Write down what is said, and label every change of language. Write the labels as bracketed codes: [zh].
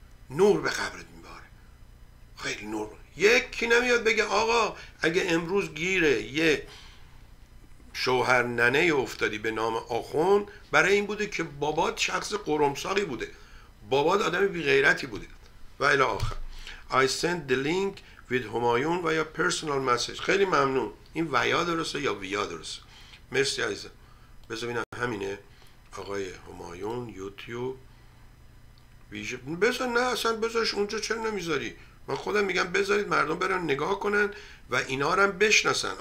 [fa] نور به قبرت میباره، خیلی نور. یکی نمیاد بگه آقا اگه امروز گیره یه شوهر ننه افتادی به نام آخون، برای این بوده که بابات شخص قرمساقی بوده، بابات آدم بیغیرتی بوده و الی آخر. [en] I send the link with Humayun via personal message. [fa] خیلی ممنون. این ویا درسته یا ویا درسته؟ مرسی عزیزم. بذارین همینه آقای همایون یوتیوب ویژه بذار. نه اصلا بذارش اونجا، چرا نمیذاری؟ من خودم میگم بذارید مردم برن نگاه کنن و اینا رو هم بشناسن.